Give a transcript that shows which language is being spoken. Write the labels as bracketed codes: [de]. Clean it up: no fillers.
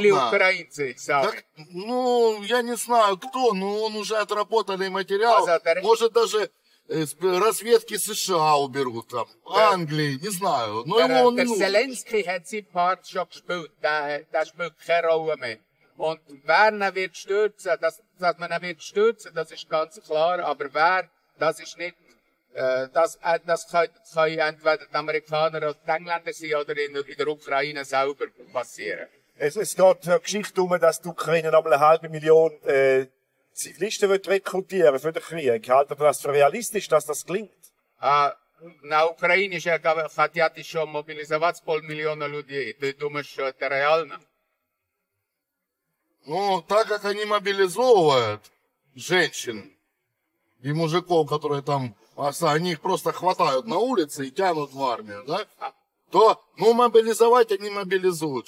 [ru] Или украинцы сами? Так, ну, я не знаю, кто, но он уже отработанный материал. Может, даже разведки США уберут там. Англии, не знаю. Но его он не нужен. [de] Зеленский hat sein Part schon gespielt. Der spielt keine Rolle mehr. Und wer ihn wird stürzen, dass man ihn wird stürzen, das ist ganz klar. Aber wer, das ist nicht... Das kann entweder die Amerikaner oder die Engländer sein oder in der Ukraine selber passieren. Es geht eine Geschichte um, dass die Ukraine noch eine 500.000 Zivilisten rekrutieren für den Krieg. Halt das für realistisch, dass das gelingt? Na, Ukraine hat ja schon mobilisiert 500.000 Leute. Du [ru] думаешь, что это реально? Ну, так как они мобилизовывают женщин и мужиков, которые там они их просто хватают на улице и тянут в армию, да? То, ну, мобилизовать они мобилизуют.